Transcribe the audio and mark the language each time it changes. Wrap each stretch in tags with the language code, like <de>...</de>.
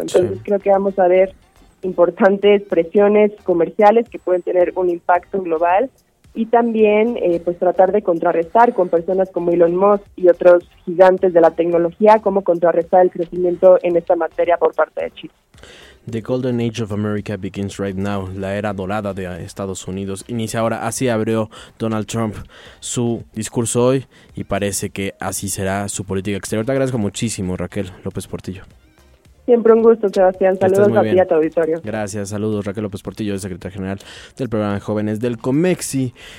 <es>Entonces creo que vamos a ver importantes presiones comerciales que pueden tener un impacto global y también pues tratar de contrarrestar con personas como Elon Musk y otros gigantes de la tecnología cómo contrarrestar el crecimiento en esta materia por parte de China.</es> <en>The golden age of America begins right now.</en> <es>La era dorada de Estados Unidos inicia ahora. Así abrió Donald Trump su discurso hoy y parece que así será su política exterior. Te agradezco muchísimo, Raquel López Portillo. Siempre un gusto, Sebastián. Saludos a ti y a tu auditorio. Gracias, saludos. Raquel López Portillo, secretaria general del programa de jóvenes del COMEXI.</es>